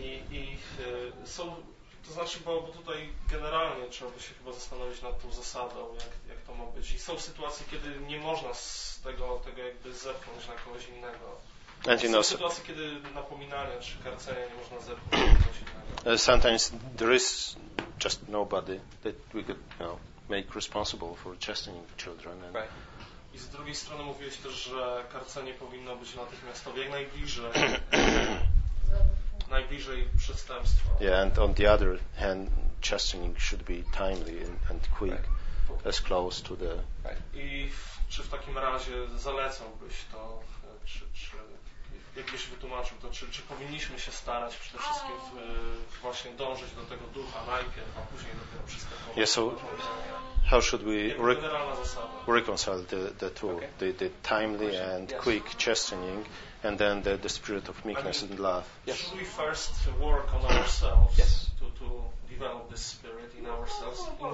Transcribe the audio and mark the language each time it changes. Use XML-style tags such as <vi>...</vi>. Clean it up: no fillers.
<pl>I są, to znaczy, bo tutaj generalnie trzeba by się chyba zastanowić nad tą zasadą, jak to ma być. I są sytuacje, kiedy nie można z tego jakby zepchnąć na kogoś innego.</pl> <en>And</en> <pl>są sytuacje, kiedy napominania czy karcenia nie można zepchnąć na kogoś innego.</pl> <en>Sometimes there is just nobody that we could, you know, make responsible for chastening children. And right.</en> <pl>I z drugiej strony mówiłeś też, że karcenie powinno być natychmiastowe, jak najbliżej, najbliżej przestępstwa.</pl> <en>Yeah, and on the other hand, chastening should be timely and quick, right. As close to the. Right.</en> <pl>I czy w takim razie zalecałbyś to, czy jakbyś wytłumaczył to, czy powinniśmy się starać przede wszystkim właśnie dążyć do tego ducha najpierw, a później do tego przystępować.</pl> <en>Yes, so how should we reconcile the two, okay. the timely and yes. quick chastening and then the spirit of meekness and love. Yes. Should we first work on ourselves yes. to develop this spirit in ourselves in</en>